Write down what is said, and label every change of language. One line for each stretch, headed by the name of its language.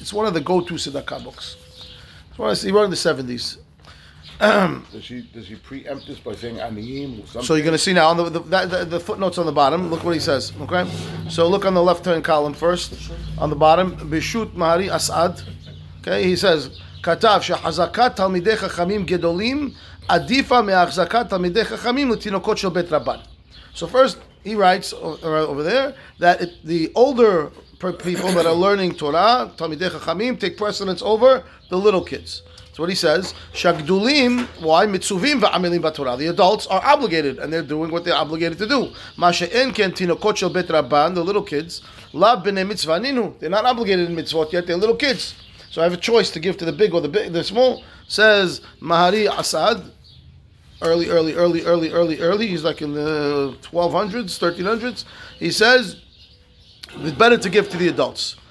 English: It's one of the go-to tzedakah books. He wrote it in the 70s. Does he preempt this by saying aniim or something? So you're going to see now, on the footnotes on the bottom, look what he says, okay? So look on the left-hand column first, on the bottom, Bishut Mahari Asad, okay?
Hebrew: He says, כתב שחזקת תלמידי חכמים גדולים עדיפה מהחזקת תלמידי חכמים לתינוקות של בית רבן.
English: So first, he writes over there that the older people that are learning Torah, תלמידי חכמים, take precedence over the little kids. So what he says, שהגדולים, why?
Hebrew: מצווים ועמלים בתורה.
English: The adults are obligated, and they're doing what they're obligated to do.
Hebrew: מה שאין כן תינוקות של בית רבן,
English: the little kids,
Hebrew: לא בני מצווה נינו.
English: They're not obligated in מצוות yet, they're little kids. So I have a choice to give to the big or the small. Says Mahari Asad, early. He's like in the 1200s, 1300s. He says it's better to give to the adults.